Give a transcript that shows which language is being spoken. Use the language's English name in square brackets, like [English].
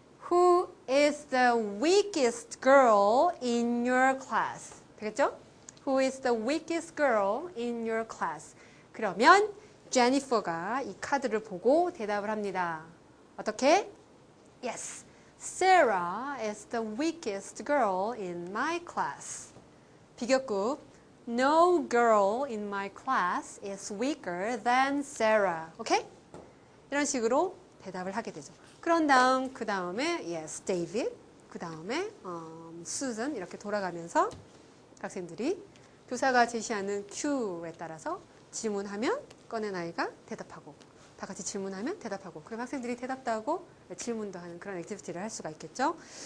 [English] Who is the weakest girl in your class? [Korean] 되겠죠? [English] Who is the weakest girl in your class? [Korean] 그러면 제니퍼가 이 카드를 보고 대답을 합니다. 어떻게? [English] Yes, Sarah is the weakest girl in my class. 비교급, no girl in my class is weaker than Sarah. Okay? [Korean] 이런 식으로 대답을 하게 되죠. 그런 다음, 그 다음에 yes, David, 그 다음에 Susan 이렇게 돌아가면서 학생들이 교사가 제시하는 Q에 따라서 질문하면 꺼낸 아이가 대답하고 다 같이 질문하면 대답하고 그럼 학생들이 대답도 하고 질문도 하는 그런 액티비티를 할 수가 있겠죠.